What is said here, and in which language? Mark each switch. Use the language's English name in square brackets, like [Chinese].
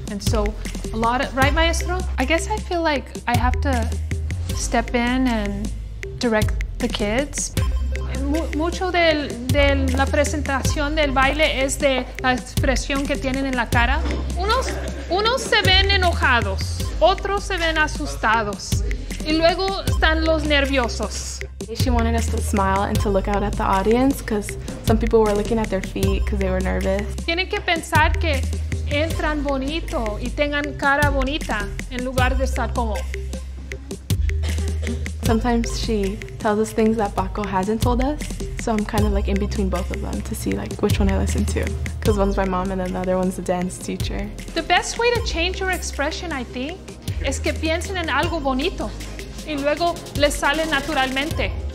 [English] And so a lot of, right, maestro? I guess I feel like I have to step in and direct the kids. [Spanish] Mucho de la presentación del baile es de la expresión que tienen en la cara. Unos se ven enojados, otros se ven asustados, y luego están los nerviosos. [English] She wanted us to smile and to look out at the audience because some people were looking at their feet because they were nervous. [Spanish] Tienen que pensar que entran bonito y tengan cara bonita en lugar de estar como... [English] Sometimes she tells us things that Baco hasn't told us, so I'm kind of like in between both of them to see like which one I listen to, because one's my mom and then the other one's the dance teacher. The best way to change your expression, I think, [Spanish] es que piensen en algo bonito y luego les sale naturalmente.